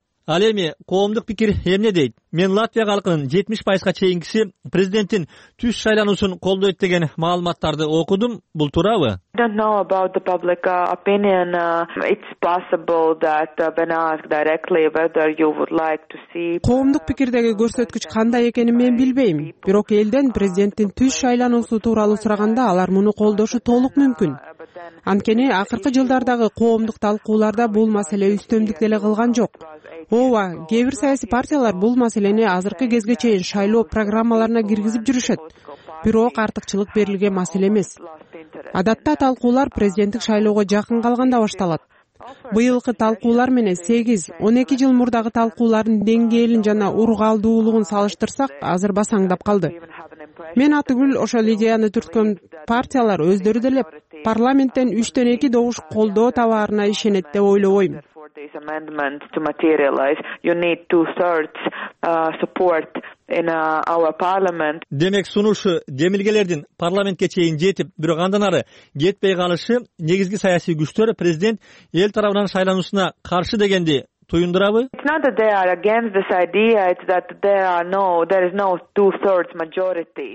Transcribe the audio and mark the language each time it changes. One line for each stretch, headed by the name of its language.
Kyrgyz: Ал эми коомдук пикир эмне дейт? Мен Латвия калкынын 70%га чейинкиси президенттин түз шайлануусун колдойт деген маалыматтарды окудум. Бул туурабы?
English: I don't know about the public opinion. It's possible that when asked directly whether you would like to see
Kyrgyz: коомдук пикирдеги көрсөткүч кандай экенин мен билбейм. Бирок элден президенттин түз шайлануусу тууралуу сураганда алар муну колдошу толук мүмкүн. Анткени акыркы жылдардагы коомдук талкууларда бул маселе үстөмдүк деле кылган жок. Ооба, кээ бир саясий партиялар бул маселени азыркы кезге чейин шайлоо программаларына киргизип жүрүшөт. Бирок артыкчылык берилген маселе эмес. Адатта талкуулар президенттик шайлоого жакын калганда башталат. Быйылкы талкуулар менен 8-12 жыл мурдагы талкуулардын деңгээлин жана ургаалдуулугун салыштырсак, азыр басаңдап калды. Мен атыгүл ошол идеяны түрткөн партиялар өздөрү деле парламенттен 3-2 добуш колдоо табарына ишенет деп ойлобойм.
English: These amendments to materialize, you need 2/3 support in our parliament.
Kyrgyz: Демек сунушу демилгелердин парламентке чейин жетип, бирок андан ары жетпей калышы негизги саясий күчтөр президент эл тарабынан шайлануусуна каршы дегенди туюндурабы?
English: It's not that they are against this idea, it's that there is no 2/3 majority.